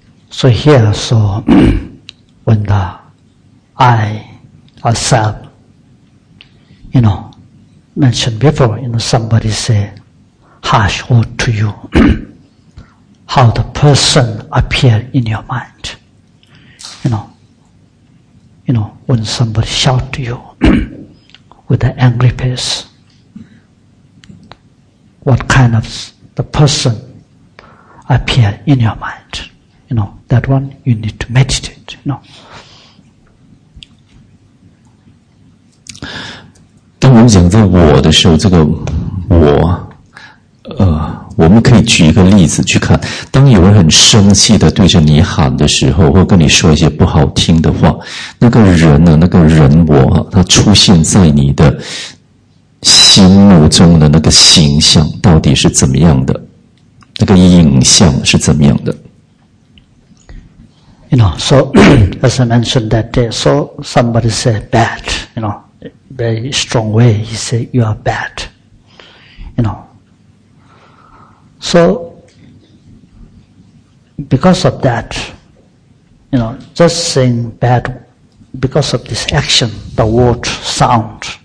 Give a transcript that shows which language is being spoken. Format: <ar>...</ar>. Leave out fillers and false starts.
<en>So here, so when the I, a self, you know, mentioned before, you know, somebody say harsh word to you, how the person appear in your mind, you know, when somebody shout to you with an angry face, what kind ofThe person appear in your mind. You know, that one you need to meditate, you know.</en> <zh>当我们讲在我的时候，这个我，我们可以举一个例子去看。当有人很生气的对着你喊的时候，或跟你说一些不好听的话，那个人呢，那个人我，他出现在你的心目中的那个形象到底是怎么样的？那个影像是怎么样的？</zh> <en>You know, so as I mentioned that day, so somebody say bad, you know, very strong way, he say you are bad, you know. So because of that, you know, just saying bad because of this action, the word sound.</en>